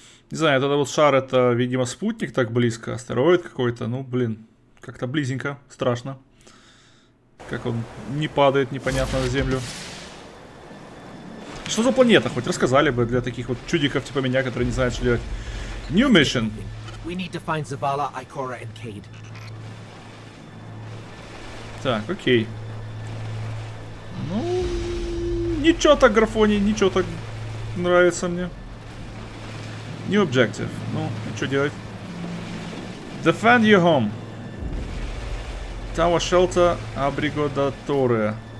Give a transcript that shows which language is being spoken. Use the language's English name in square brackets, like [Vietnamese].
[Russian] Не знаю, этот вот шар, это, видимо, спутник так близко, астероид какой-то, ну, блин, как-то близенько, страшно. Как он не падает непонятно на землю. Что за планета? Хоть рассказали бы для таких вот чудиков типа меня, которые не знают, что делать. [English] New mission. We need to find Zavala, Ikora, and Cade. [Russian] Так, окей. Ну, ничего так, графони, ничего так нравится мне. [English] New objective. [Russian] Ну, а что делать? [English] Defend your home. Tower shelter Abrigodatore.